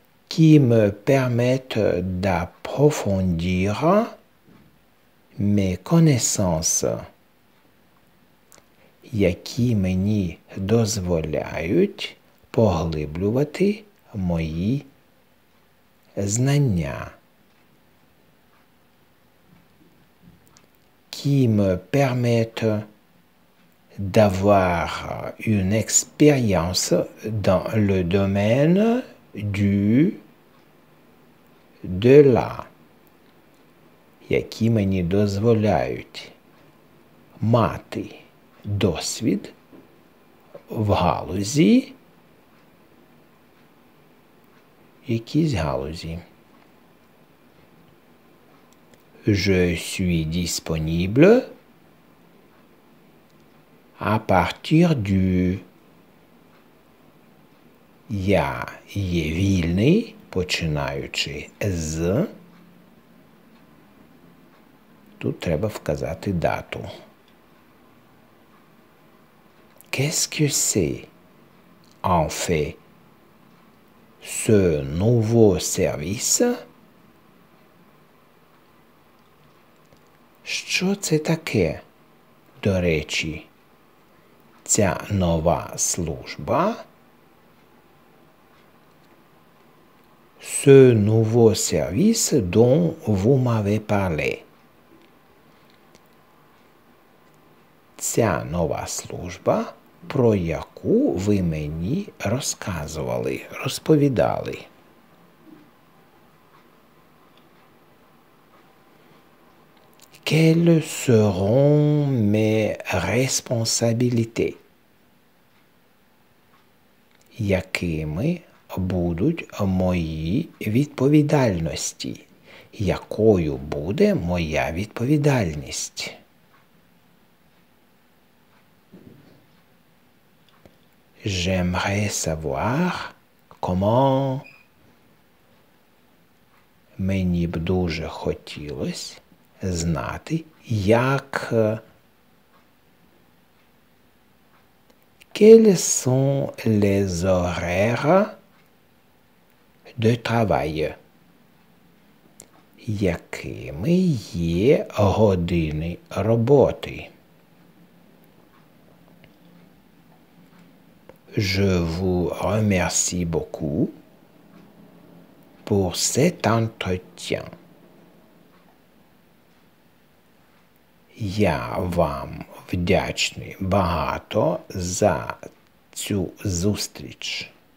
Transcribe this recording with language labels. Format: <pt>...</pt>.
<fr>qui me permettent d'approfondir mes connaissances,</fr> <uk>які мені дозволяють поглиблювати мої знання.</uk> <fr>Qui me permettent d'avoir une expérience dans le domaine du de la.</fr> <uk>Які мені дозволяють мати досвід в галузі, якісь галузі.</uk> <fr>Je suis disponible à partir du...</fr> <uk>Я є вільний, починаючи з... Тут треба вказати дату.</uk> <fr>Qu'est-ce que c'est, en fait, ce nouveau service?</fr> <uk>Що це таке, до речі, ця нова служба?</uk> <fr>ce nouveau service dont vous m'avez parlé.</fr> <uk>Ця нова служба, про яку ви мені розказували, розповідали.</uk> <fr>Quelles seront mes responsabilités?</fr> <uk>Якими будуть мої відповідальності? Якою буде моя відповідальність?</uk> <fr>J'aimerais savoir comment.</fr> <uk>Мені б дуже хотілося знати, як.</uk> <fr>Quels sont les horaires de travail?</fr> <uk>Якими є години роботи?</uk> <fr>Je vous remercie beaucoup pour cet entretien.</fr> <uk>Я вам вдячний багато за цю зустріч.</uk>